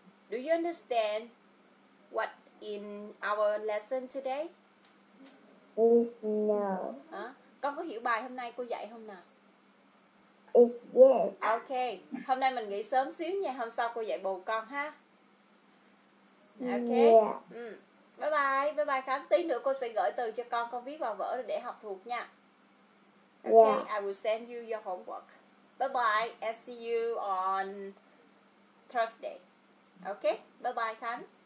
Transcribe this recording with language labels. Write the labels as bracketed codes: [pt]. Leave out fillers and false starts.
[en] Do you understand what in our lesson today? Is no. [vi] Con có hiểu bài hôm nay cô dạy không nào? [en] Is yes. Okay. [vi] Hôm nay mình nghỉ sớm xíu nha. Hôm sau cô dạy bồ con ha. Okay. [en] Yeah. Bye bye. [vi] Bye bye Khánh. Tí nữa cô sẽ gửi từ cho con viết vào vở để học thuộc nha. [en] Okay. Yeah. I will send you your homework. Bye bye. And see you on Thursday. Okay. Bye bye Khánh.